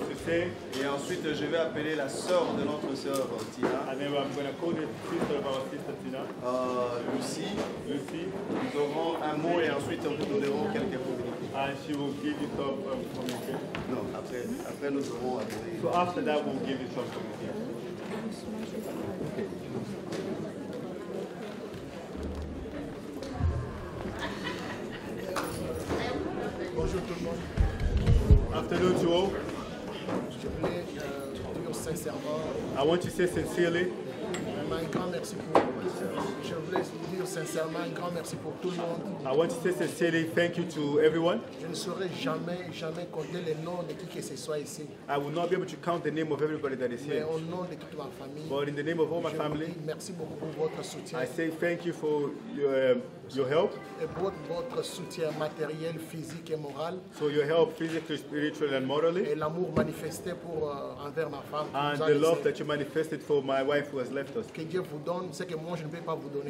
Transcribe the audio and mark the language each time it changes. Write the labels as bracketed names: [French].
[French] Et ensuite, je vais appeler la sœur de notre sœur Tina. [English] And then I'm going to call the sister of our sister Tina. [French] Lucie. [English] Lucie. [French] Nous aurons un mot et ensuite nous donnerons quelques communiqués. [English] And she will give you some communiqué. [French] Non, après nous aurons appelé. [English] So after that, we'll give you some communiqué. [French] Bonjour tout le monde. [English] Afternoon to all. [French] Sincèrement, [English] I want to say sincerely. I want to say sincerely thank you to everyone. [French] Je ne saurai jamais compter les noms de qui que ce soit ici. [English] I will not be able to count the name of everybody that is here. [French] Mais au nom de toute ma famille. [English] But in the name of all my family. [French] Merci beaucoup pour votre soutien. [English] I say thank you for your help. [French] Et pour votre soutien matériel, physique et moral. [English] So your help physically, spiritually and morally. [French] Et l'amour manifesté pour envers ma femme. [English] And the love that you manifested for my wife who has left us. [French] Que Dieu vous donne ce que moi je ne peux pas vous donner.